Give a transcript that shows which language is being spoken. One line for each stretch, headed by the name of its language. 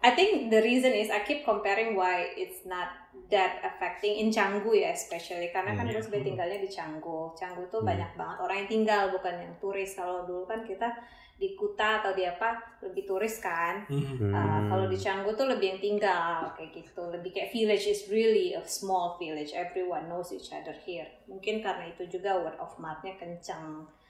English: I think the reason is I keep comparing why it's not that affecting in Canggu ya especially
Indonesian: karena kan gue tinggalnya di Canggu. Canggu tuh banyak banget orang yang tinggal bukan yang turis. Kalau dulu kan kita di Kuta atau di apa lebih turis kan. Kalau di Canggu tuh lebih yang tinggal kayak gitu. Lebih kayak
English: village, is really a small village. Everyone knows each other here.
Indonesian: Mungkin karena itu juga
English: word of mouth-
Indonesian: nya kencang.